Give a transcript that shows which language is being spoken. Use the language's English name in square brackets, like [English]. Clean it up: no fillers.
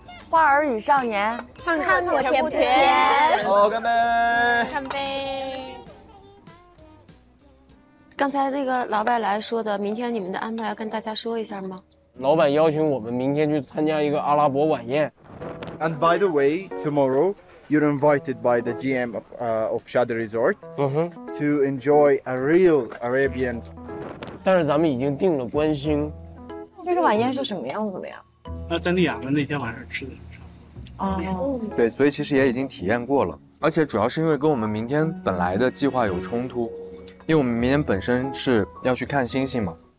[Chinese] 花儿与少年，看看我甜不甜。好，干杯。干杯。刚才那个老外来说的，明天你们的安排要跟大家说一下吗？老板邀请我们明天去参加一个阿拉伯晚宴。 [English] And by the way, tomorrow you're invited by the GM of Shadow Resort to enjoy a real Arabian. [Chinese] 但是咱们已经定了关心。这个晚宴是什么样子的呀？在丽亚们那天晚上吃的。哦。对，所以其实也已经体验过了，而且主要是因为跟我们明天本来的计划有冲突，因为我们明天本身是要去看星星嘛。